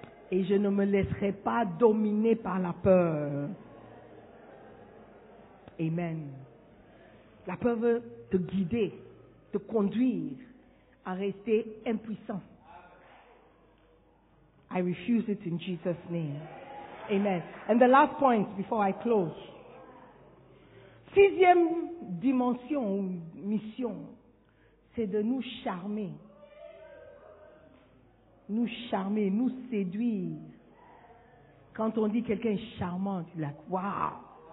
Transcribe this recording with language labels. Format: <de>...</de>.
<fr>Et je ne me laisserai pas dominer par la peur. Amen. La peur veut te guider, te conduire à rester impuissant.</fr> <en>I refuse it in Jesus' name. Amen. And the last point before I close.</en> <fr>Sixième dimension ou mission, c'est de nous charmer. Nous charmer, nous séduire. Quand on dit quelqu'un est charmant, tu es</fr> <en>like, wow.</en>